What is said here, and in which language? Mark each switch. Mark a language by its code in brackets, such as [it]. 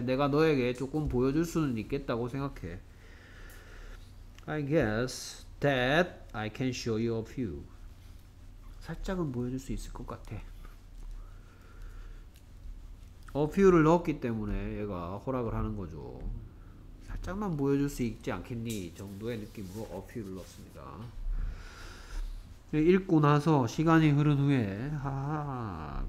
[ko] 내가 너에게 조금 보여줄 수는 있겠다고 생각해. [en] I guess that I can show you a few. [ko] 살짝은 보여줄 수 있을 것 같아. A few를 넣었기 때문에 얘가 허락을 하는 거죠. 살짝만 보여줄 수 있지 않겠니 정도의 느낌으로 A few를 넣었습니다. 읽고 나서 시간이 흐른 후에 하하.